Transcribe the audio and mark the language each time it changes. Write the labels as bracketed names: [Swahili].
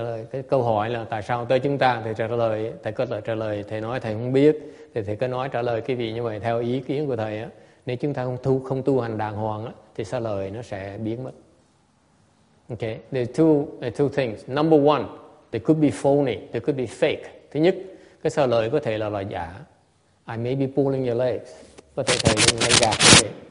[Vietnamese] Cái câu hỏi là tại sao tới chúng ta? Thầy trả lời, thầy nói thầy không biết. Thì cứ nói trả lời cái gì như vậy theo ý kiến của thầy á, nếu chúng ta không tu hành đàng hoàng á, thì xá lợi nó sẽ biến mất. [English] Okay, there are two things. Number one, they could be phony, they could be fake. [Vietnamese] Thứ nhất, cái xá lợi có thể là loại giả. [English] I may be pulling your legs, [Vietnamese] có thể thầy đang lấy gạt thầy.